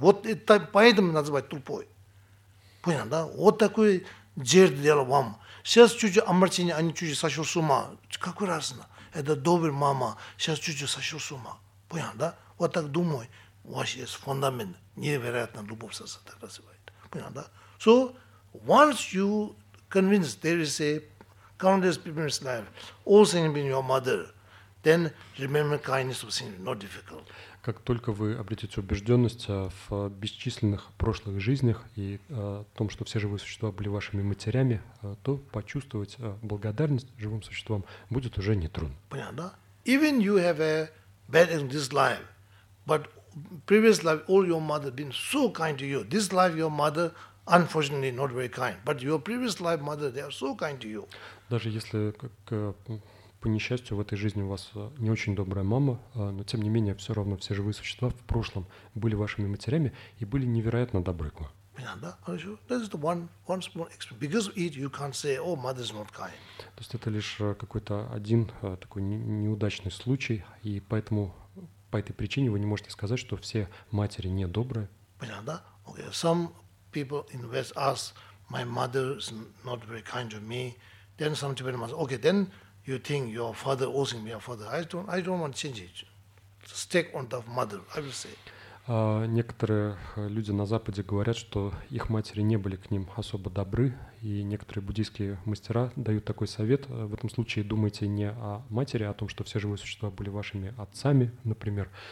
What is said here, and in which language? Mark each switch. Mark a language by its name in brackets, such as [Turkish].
[Russian] Вот это поэтому называть тупой. Понял, да? Вот такой жертвы дело вам. Сейчас чужие омрачения, они чужие сошел с ума. Какой раз, это добрый мама, сейчас чуть-чуть сошел с ума. Понял, да? Вот так думаю. У вас есть фундамент. Невероятно любовь сердца так называет. Понял, да? [English] So, once you convince there is a countless people's life, all sentient being your mother, then remember kindness of sentient, not difficult. [Russian] Как только вы обретете убежденность в бесчисленных прошлых жизнях и о том, что все живые существа были вашими матерями, то почувствовать благодарность живым существам будет уже нетрудно. Понятно, да? [English] Even you have a bad in this life, but previous life all your mother been so kind to you. This life your mother unfortunately not very kind. But your previous life mother, they are so kind to you. [Russian] Даже если как по несчастью в этой жизни у вас не очень добрая мама, но тем не менее все равно все живые существа в прошлом были вашими матерями и были невероятно добры к вам. [English] That is the one small experience. Because of it, you can't say, "Oh, mother's not kind." [Russian] То есть это лишь какой-то один такой неудачный случай, и поэтому по этой причине вы не можете сказать, что все матери не добрые. Понятно? [English] Okay. Some people in the West ask, "My mother is not very kind to me." Then some Tibetan ask, "Okay, then you think your father owing me a father? I don't want to change it. Stick on the mother. I will say." [Russian] Некоторые люди на Западе говорят, что их матери не были к ним особо добры, и некоторые буддийские мастера дают такой совет. В этом случае думайте не о матери, а о том, что все живые существа были вашими отцами, например.